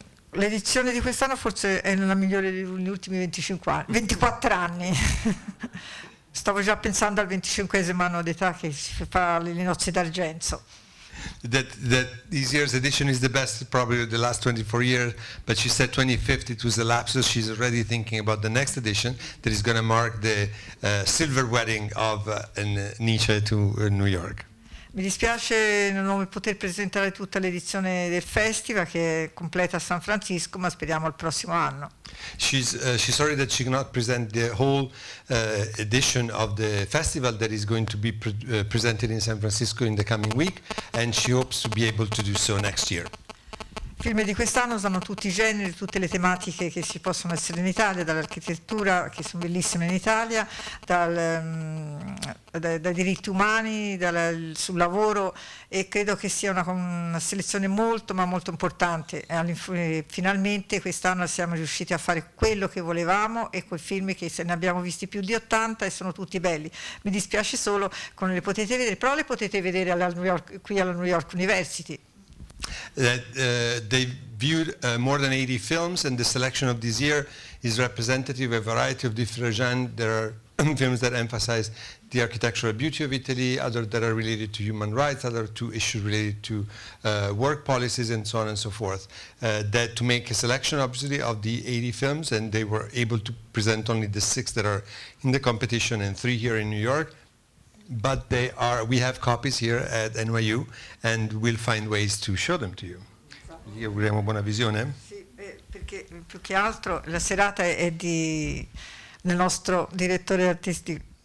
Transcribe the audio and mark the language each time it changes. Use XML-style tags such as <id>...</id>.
<it>L'edizione di quest'anno forse è la migliore degli ultimi 25 anni, 24 anni. Stavo già pensando al 25esimo anno d'età che si fa le nozze d'argento.</it> <en>That this year's edition is the best probably the last 24 years, but she said 25th, it was the lapsus. She's already thinking about the next edition that is going to mark the silver wedding of Nietzsche to New York.</en> <it>Mi dispiace non poter presentare tutta l'edizione del festival che è completa a San Francisco, ma speriamo il prossimo anno.</it> <en>She's sorry that she cannot present the whole edition of the festival that is going to be presented in San Francisco in the coming week, and she hopes to be able to do so next year.</en> <it>I film di quest'anno usano tutti i generi, tutte le tematiche che si possono essere in Italia, dall'architettura, che sono bellissime in Italia, dai diritti umani, sul lavoro, e credo che sia una selezione molto ma molto importante. Finalmente quest'anno siamo riusciti a fare quello che volevamo, e quei film che se ne abbiamo visti più di 80 e sono tutti belli. Mi dispiace solo che non li potete vedere, però li potete vedere alla New York University.</it> <en>That they viewed more than 80 films, and the selection of this year is representative of a variety of different genres. There are films that emphasize the architectural beauty of Italy, others that are related to human rights, other to issues related to work policies, and so on and so forth. That to make a selection, obviously, of the 80 films, and they were able to present only the 6 that are in the competition and 3 here in New York. But we have copies here at NYU, and we'll find ways to show them to you.</en> <it>Vi auguriamo buona visione. Perché più che altro la serata è del nostro direttore artistico.</it>